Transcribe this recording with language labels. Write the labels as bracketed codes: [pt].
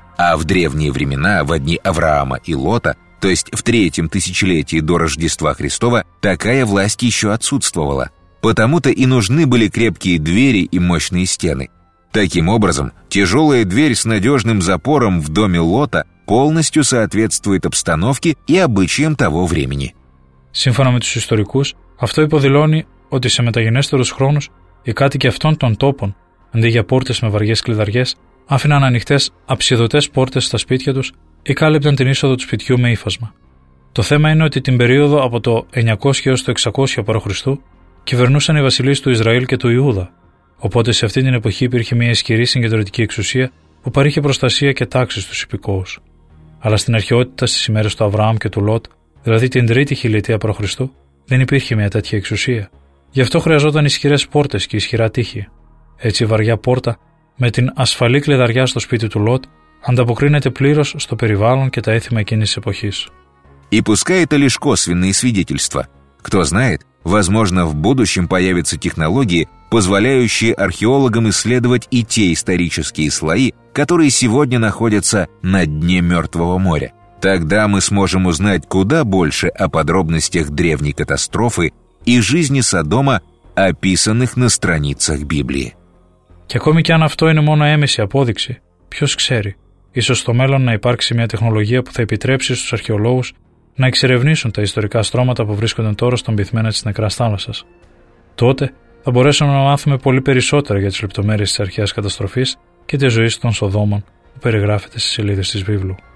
[ru] А в древние времена, во дни Авраама и Лота, то есть в третьем тысячелетии до Рождества Христова, такая власть еще отсутствовала. Потому-то и нужны были крепкие двери и мощные стены. Таким образом, тяжелая дверь с надежным запором в доме Лота полностью соответствует обстановке и обычаям того времени. [el] Σύμφωνα με τους ιστορικούς, αυτό υποδηλώνει ότι σε μεταγενέστερους χρόνους οι κάτοικοι αυτών των τόπων, αντί για πόρτες με βαριές κλειδαριές, άφηναν ανοιχτές αψιδωτές πόρτες στα σπίτια τους ή κάλυπταν την είσοδο του σπιτιού με ύφασμα. Το θέμα είναι ότι την περίοδο από το 900 έως το 600 π.Χ. κυβερνούσαν οι βασιλείς του Ισραήλ και του Ιούδα. Οπότε σε αυτή την εποχή υπήρχε μια ισχυρή συγκεντρωτική εξουσία που παρήχε προστασία και τάξη στους υπηκόους. Αλλά στην αρχαιότητα στις ημέρες του Αβραάμ και του Λότ, δηλαδή την τρίτη χιλιετία π.Χ., δεν υπήρχε μια τέτοια εξουσία. Γι' αυτό χρειαζόταν ισχυρές πόρτες και ισχυρά τείχη. Έτσι, η βαριά πόρτα με την ασφαλή κλειδαριά στο σπίτι του Λότ ανταποκρίνεται πλήρως στο περιβάλλον και τα έθιμα εκείνης της εποχής. Υπουσκάεται λίσκο σβηνή свидетельства. [ru] Кто знает, возможно, в будущем появятся технологии, позволяющие археологам исследовать и те исторические слои, которые сегодня находятся на дне Мертвого моря. Тогда мы сможем узнать куда больше о подробностях древней катастрофы и жизни Содома, описанных на страницах Библии. [el] Και ακόμη και αν αυτό είναι μόνο έμεση απόδειξη, ποιος ξέρει, ίσως στο μέλλον να υπάρξει μια τεχνολογία που θα επιτρέψει στους αρχαιολόγους να εξερευνήσουν τα ιστορικά στρώματα που βρίσκονται τώρα στον πυθμένα της νεκράς θάλασσας. Τότε θα μπορέσουμε να μάθουμε πολύ περισσότερα για τις λεπτομέρειες της αρχαίας καταστροφής και της ζωής των Σοδόμων που περιγράφεται στις σελίδες της Βίβλου.